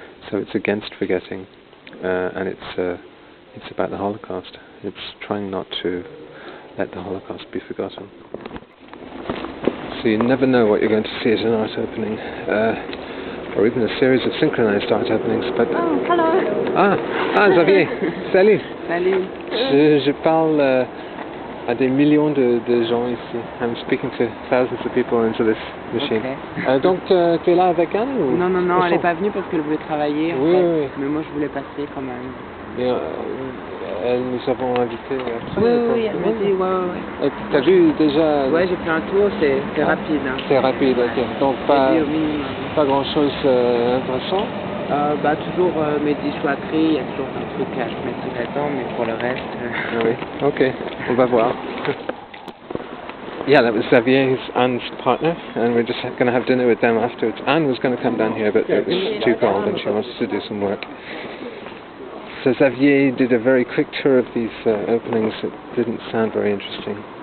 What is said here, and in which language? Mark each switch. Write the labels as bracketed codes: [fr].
[en] So it's against forgetting. And it's about the Holocaust. It's trying not to let the Holocaust be forgotten. So you never know what you're going to see at an art opening, or even a series of synchronized art openings. But oh, hello. [fr] Ah, Xavier. Salut. Salut. Je parle à des millions de gens ici. [en] I'm speaking to thousands of people into this machine. Okay. [fr] Donc, tu es là avec Anne ou... Non, elle n'est pas venue parce qu'elle voulait travailler. Oui, oui, oui. Mais moi, je voulais passer quand même. Mais nous avons invité... Oui, elle m'a dit, ouais. Et t'as vu déjà... Ouais, j'ai fait un tour, c'est rapide. Hein. C'est rapide, ok. Donc, pas grand-chose intéressant. Toujours mes dissuaderies, il y a toujours un truc à je mettre là-dedans, mais pour le reste... Oui, ok, on va voir. [en] Yeah, that was Xavier's Anne's partner, and we're just going to have dinner with them afterwards. Anne was going to come down here, but it was too cold, and she wants to do some work. So Xavier did a very quick tour of these openings. It didn't sound very interesting.